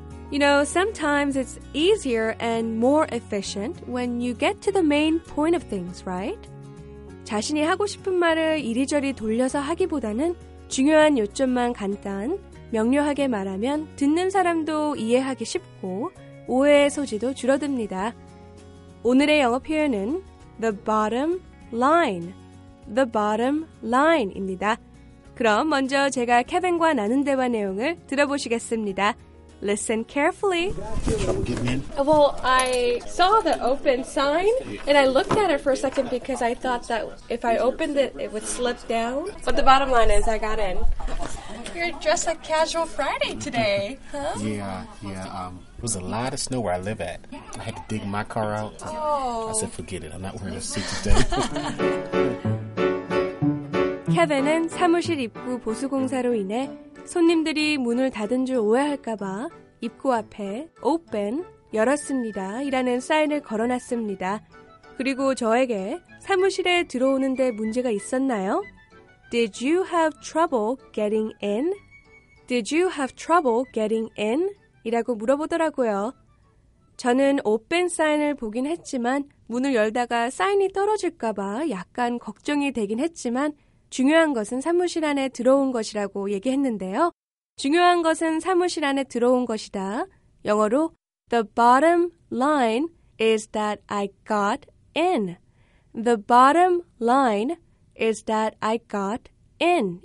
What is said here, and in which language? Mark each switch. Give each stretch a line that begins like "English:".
English: You know, sometimes it's easier and more efficient when you get to the main point of things, right?
Korean: 자신이 하고 싶은 말을 이리저리 돌려서 하기보다는 중요한 요점만 간단, 명료하게 말하면 듣는 사람도 이해하기 쉽고 오해의 소지도 줄어듭니다. 오늘의 영어 표현은 the bottom line, the bottom line입니다. 그럼 먼저 제가 케빈과 나눈 대화 내용을 들어보시겠습니다.
English: Listen carefully. Trouble getting in? Well, I saw the open sign, and I looked at it for a second because I thought that if I opened it, it would slip down. But the bottom line is I got in. You're dressed like casual Friday today, huh? Yeah. It was a lot of snow where I live at. I had to dig my car out. Oh. I said, forget it. I'm not wearing a suit today.
Korean: Kevin은 사무실 입구 보수 공사로 인해 손님들이 문을 닫은 줄 오해할까봐 입구 앞에 Open, 열었습니다 이라는 사인을 걸어놨습니다. 그리고 저에게 사무실에 들어오는 데 문제가 있었나요?
English: Did you have trouble getting in? Did you have trouble getting in?
Korean: 이라고 물어보더라고요. 저는 Open 사인을 보긴 했지만 문을 열다가 사인이 떨어질까봐 약간 걱정이 되긴 했지만 중요한 것은 사무실 안에 들어온 것이라고 얘기했는데요. 중요한 것은 사무실 안에 들어온 것이다. 영어로
English: The bottom line is that I got in. The bottom line is that I got in.